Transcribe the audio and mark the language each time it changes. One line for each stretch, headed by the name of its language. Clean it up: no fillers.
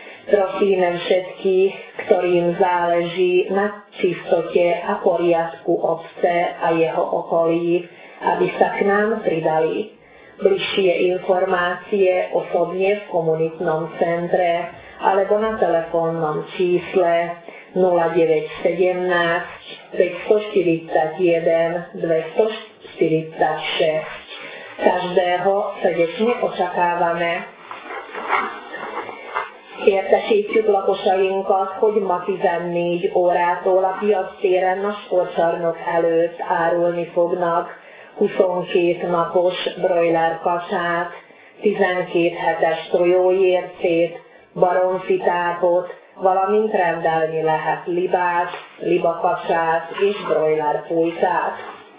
Slovak: Prosíme všetkých, ktorým záleží na čistote a poriadku obce a jeho okolí, aby sa k nám pridali. Bližšie informácie osobne v komunitnom centre alebo na telefónnom čísle 0917 541 246. Každého srdečne očakávame.
Hungarian: Értesítjük lakosainkat, hogy ma 14 órától a piac téren a sportcsarnok előtt árulni fognak 22 napos brojler kacsát, 12 hetes tojójércét, baromfitápot, valamint rendelni lehet libát, libakacsát és brojler pulykát.